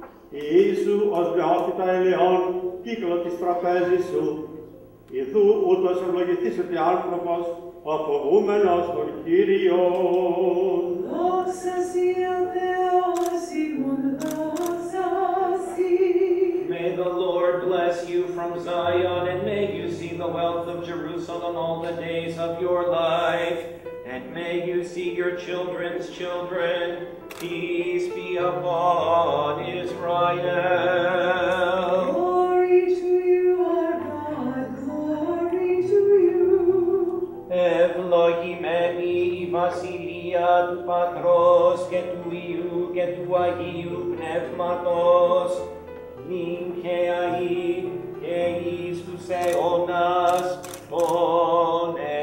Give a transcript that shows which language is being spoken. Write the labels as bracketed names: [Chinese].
[Greek] Ιησού, ως βιώθητα ελαιών, κύκλο της τραπέζης σου. Ιδού, ούτως ευλογηθήσεται άνθρωπος, ο φοβούμενος τον Κύριον. Δόξα Σύ, ο Θεός ημών, δόξα Σύ. [English] May the Lord bless you from Zion, and may you see the wealth of Jerusalem all the days of your life. And may you see your children's children. Peace be upon Israel. Glory to you, our God, glory to you. [Greek] Ευλογημένη η βασιλεία του Πατρός και του Υιού και του Αγίου Πνεύματος, νυν και αεί και εις τους αιώνας των